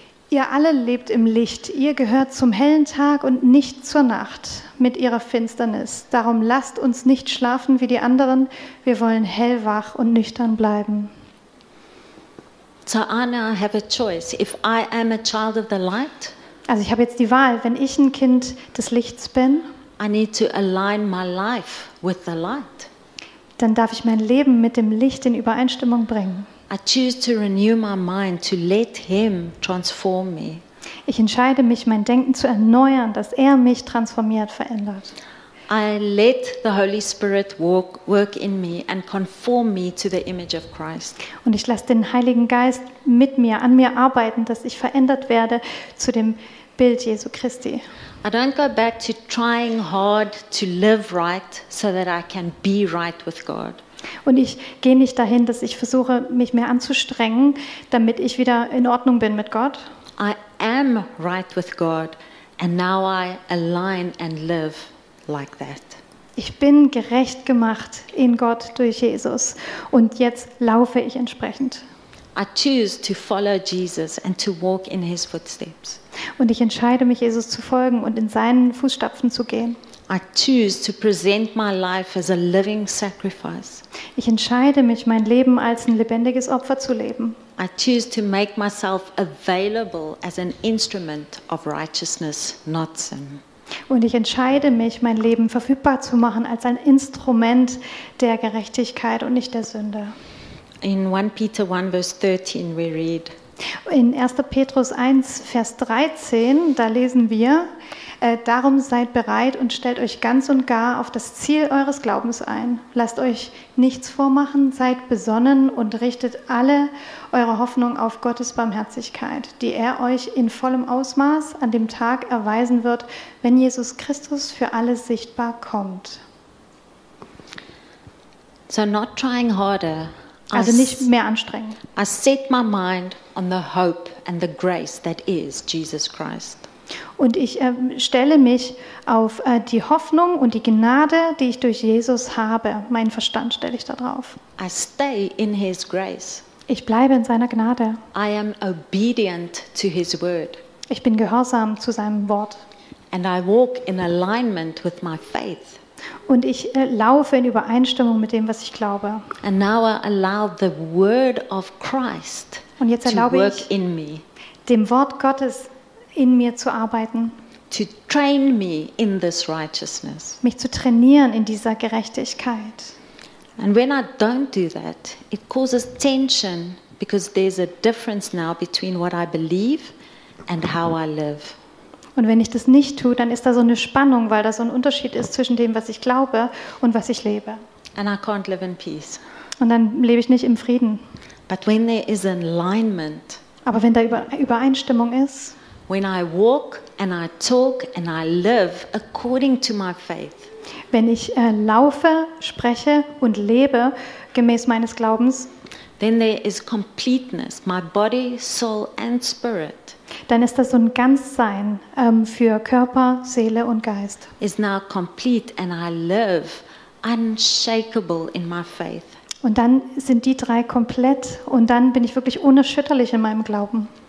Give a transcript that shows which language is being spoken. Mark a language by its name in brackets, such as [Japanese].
[German] Ihr alle lebt im Licht, ihr gehört zum hellen Tag und nicht zur Nacht mit ihrer Finsternis. Darum lasst uns nicht schlafen wie die anderen, wir wollen hellwach und nüchtern bleiben. [English] So I now have a choice. If I am a child of the light, [German] also ich habe jetzt die Wahl, wenn ich ein Kind des Lichts bin, [English] I need to align my life with the light. [German] Dann darf ich mein Leben mit dem Licht in Übereinstimmung bringen. [English] I choose to renew my mind to let him transform me. [German] Ich entscheide mich, mein Denken zu erneuern, dass er mich transformiert, verändert. [English] I let the Holy Spirit work in me and conform me to the image of Christ. [German] Und ich lasse den Heiligen Geist mit mir, an mir arbeiten, dass ich verändert werde zu dem Bild Jesu Christi. [English] I don't go back to trying hard to live right so that I can be right with God. [German] Und ich gehe nicht dahin, dass ich versuche, mich mehr anzustrengen, damit ich wieder in Ordnung bin mit Gott. [English] I am right with God and now I align and live like that. [German] Ich bin gerecht gemacht in Gott durch Jesus und jetzt laufe ich entsprechend. [English] I choose to follow Jesus and to walk in his footsteps. [German] Und ich entscheide mich, Jesus zu folgen und in seinen Fußstapfen zu gehen. [English] I choose to present my life as a living sacrifice. [German] Ich entscheide mich, mein Leben als ein lebendiges Opfer zu leben. [English] I choose to make myself available as an instrument of righteousness, not sin. [German] Und ich entscheide mich, mein Leben verfügbar zu machen als ein Instrument der Gerechtigkeit und nicht der Sünde. [English] In 1 Peter 1, verse 13 we read. [German] In 1. Petrus 1, Vers 13, da lesen wir, darum seid bereit und stellt euch ganz und gar auf das Ziel eures Glaubens ein. Lasst euch nichts vormachen, seid besonnen und richtet alle eure Hoffnung auf Gottes Barmherzigkeit, die er euch in vollem Ausmaß an dem Tag erweisen wird, wenn Jesus Christus für alle sichtbar kommt. [English] So not trying harder. [German] Also nicht mehr anstrengen. [English] I set my mind on the hope and the grace that is Jesus Christ. [German] Und ich stelle mich auf die Hoffnung und die Gnade, die ich durch Jesus habe. Meinen Verstand stelle ich da drauf. [English] I stay in his grace. [German] Ich bleibe in seiner Gnade. [English] I am obedient to his word. [German] Ich bin gehorsam zu seinem Wort. [English] And I walk in alignment with my faith. [German] Und ich laufe in Übereinstimmung mit dem, was ich glaube. [English] And now I allow the word of Christ [German] und jetzt erlaube [English] to work [German] ich, [English] in me. [German] Dem Wort Gottes in mir zu arbeiten. [English] To train me in this righteousness. [German] Mich zu trainieren in dieser Gerechtigkeit. [English] And when I don't do that, it causes tension because there's a difference now between what I believe and how I live. [German] Und wenn ich das nicht tue, dann ist da so eine Spannung, weil da so ein Unterschied ist zwischen dem, was ich glaube und was ich lebe. [English] And I can't live in peace. [German] Und dann lebe ich nicht im Frieden. [English] But when there is alignment, [German] aber wenn da Übereinstimmung ist, [English] when I walk and I talk and I live according to my faith, [German] wenn ich laufe, spreche und lebe gemäß meines Glaubens, [English] then there is completeness, my body, soul and spirit. [German] Dann ist das so ein Ganzsein für Körper, Seele und Geist. [English] Is now complete and I live unshakable in my faith. [German] Und dann sind die drei komplett und dann bin ich wirklich unerschütterlich in meinem Glauben.